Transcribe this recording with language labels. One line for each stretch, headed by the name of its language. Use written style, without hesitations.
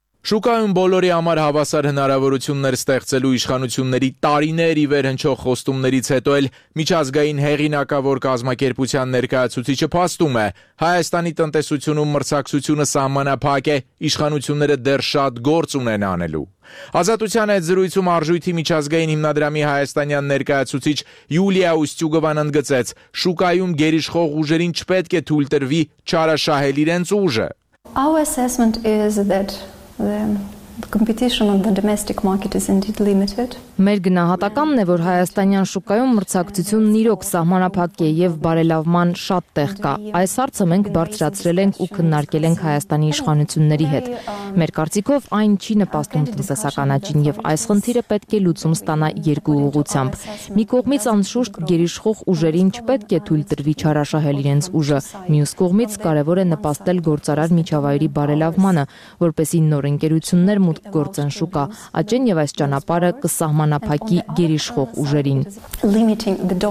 Armenian: Շուկայում բոլորի համար հավասար հնարավորություններ ստեղծելու իշխանությունների տարիներ ի վեր հնչող խոստումներից հետո էլ միջազգային հեղինակավոր կազմակերպության ներկայացուցիչը փաստում է, Հայաստանի տնտեսությունում մրցակցությունը սահմանափակ է, իշխանությունները դեռ շատ գործ ունեն անելու։ Ազատության այդ զրույցում արժույթի միջազգային հիմնադրամի հայաստանյան ներկայացուցիչ Յուլիա Ուստյուգովան ընդգծեց, շուկայում գերիշխող ուժերին չպետք է թույլ տրվի չարաշահել իրենց ուժը։
English: Our assessment is that the competition on the domestic market is indeed limited.
Armenian: Մեր գնահատականն է, որ հայաստանյան շուկայում մրցակցությունն իրոք սահմանափակ է եւ բարելավման շատ տեղ կա։ Այս հարցը մենք բարձրացրել ենք ու քննարկել ենք հայաստանի իշխանությունների հետ։ Մեր կարծիքով այն չի նպաստում տնտեսական աճին եւ այս խնդիրը պետք է լուծում ստանա երկու ուղղությամբ։ Մի կողմից անշուշտ գերիշխող ուժերին չպետք է թույլ տրվի չարաշահել իրենց ուժը, մյուս կողմից կարևոր է նպաստել գործարար միջավայրի բարելավմանը, որպեսզի նոր ընկերություններ մուտք գործեն շուկա, աճեն եւ այս ճանապարհը կսահմանափակի մանապակի գերիշխող ուժերին։